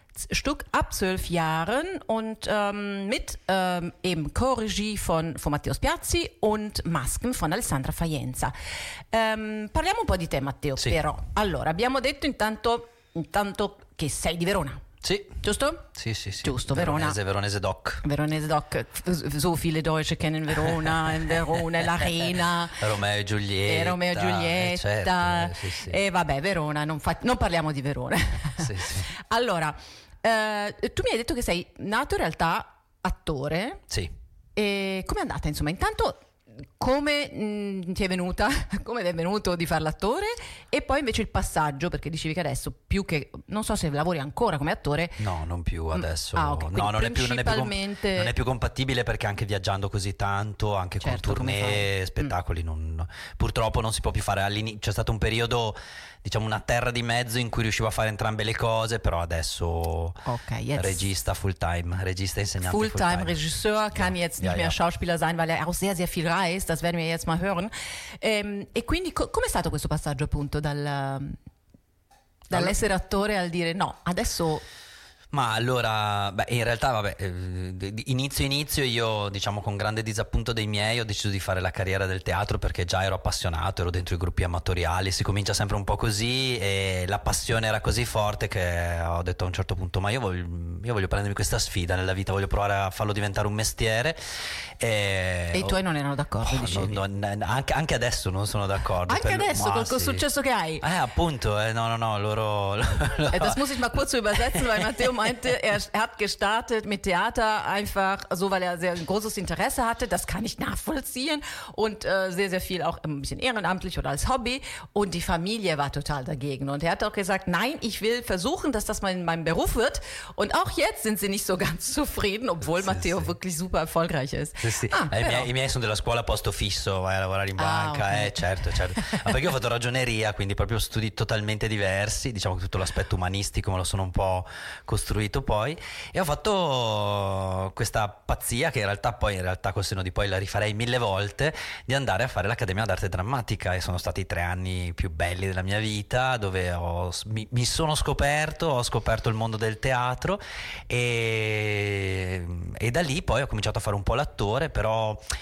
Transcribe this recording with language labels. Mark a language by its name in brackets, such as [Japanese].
[German] Stück ab 12 Jahren und mit eben Co-Regie von Matteo Spiazzi und Masken von Alessandra Faenza. [Italian] Parliamo un po' di te, Matteo, sì. Però. Allora, abbiamo detto intanto che sei di Verona. Sì. Giusto? Sì, sì, sì. Giusto, Veronese, Veronese Doc. Veronese Doc. [German] So viele Deutsche kennen Verona, in Verona, l'Arena. [Italian] Romeo e Giulietta. Romeo e Giulietta. Certo, sì, sì. E vabbè, Verona, non parliamo di Verona. Sì, sì. Allora, tu mi hai detto che sei nato in realtà attore. Sì. E com'è andata, insomma? Intanto, come ti è venuta, come è venuto di fare l'attore e poi invece il passaggio, perché dicevi che adesso più che, non so se lavori ancora come attore. No, non più adesso. Ah, okay. No, principalmente... non è più compatibile, perché anche viaggiando così tanto, anche certo, con tournée, spettacoli, purtroppo non si può più fare. All'inizio c'è stato un periodo, diciamo una terra di mezzo, in cui riuscivo a fare entrambe le cose, però adesso [German] okay, jetzt. [Italian] Regista full time, regista insegnante full [German] time. Regisseur kann yeah. jetzt nicht yeah, mehr yeah. Schauspieler sein, weil er auch sehr sehr viel reist, das werden wir jetzt mal hören. [Italian] E quindi com'è stato questo passaggio appunto dall'essere attore al dire no, adesso... Ma allora, beh, in realtà, vabbè, inizio io, diciamo, con grande disappunto dei miei, ho deciso di fare la carriera del teatro, perché già ero appassionato, ero dentro i gruppi amatoriali, si comincia sempre un po' così, e la passione era così forte che ho detto a un certo punto, ma io voglio prendermi questa sfida nella vita, voglio provare a farlo diventare un mestiere. E i tuoi non erano d'accordo, oh, dicevi? Anche adesso non sono d'accordo. Anche adesso, col sì. successo che hai? Appunto, no, loro... [German] das muss ich mal kurz übersetzen, weil Matteo meinte, er hat gestartet mit Theater einfach so, weil er sehr ein großes Interesse hatte, das kann ich nachvollziehen, und sehr, sehr viel auch ein bisschen ehrenamtlich oder als Hobby, und die Familie war total dagegen, und er hat auch gesagt, nein, ich will versuchen, dass das mal in meinem Beruf wird, und auch jetzt sind sie nicht so ganz zufrieden, obwohl [Italian] sì, Matteo sì. [German] wirklich super erfolgreich ist. [Italian] Sì, sì. Ah, i miei sono della scuola posto fisso, vai a lavorare in banca, okay. certo, ma perché ho fatto ragioneria, quindi proprio studi totalmente diversi, diciamo che tutto l'aspetto umanistico me lo sono un po' costruito poi, e ho fatto questa pazzia, che in realtà col senno di poi la rifarei mille volte, di andare a fare l'Accademia d'Arte Drammatica, e sono stati i tre anni più belli della mia vita, dove mi sono scoperto, ho scoperto il mondo del teatro, e da lì poi ho cominciato a fare un po' l'attore, però